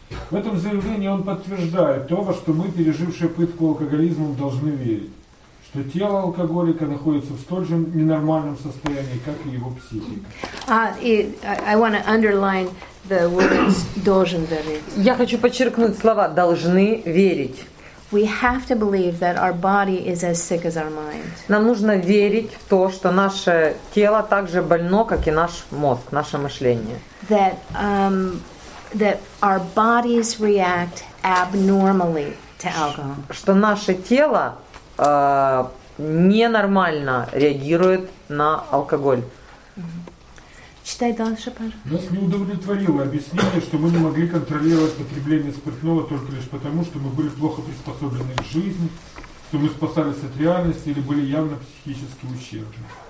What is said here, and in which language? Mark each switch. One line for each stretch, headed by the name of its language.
Russian: В этом заявлении он подтверждает то, во что мы, пережившие пытку алкоголизмом, должны верить, что тело алкоголика находится в столь же ненормальном состоянии, как и его психика.
English: I want to underline the words
Russian: должен верить. Я хочу подчеркнуть слова должны верить.
English: We have to believe that our body is as sick as our mind.
Russian: Нам нужно верить в то, что наше тело так же больно, как и наш мозг, наше мышление.
English: That that our bodies react abnormally to alcohol.
Russian: Что наше тело ненормально реагирует на алкоголь. Читай дальше, пожалуйста. Нас не удовлетворило объяснение, что мы не могли контролировать потребление спиртного только лишь потому, что мы были плохо приспособлены к жизни, что мы спасались от реальности или были явно психически ущербны.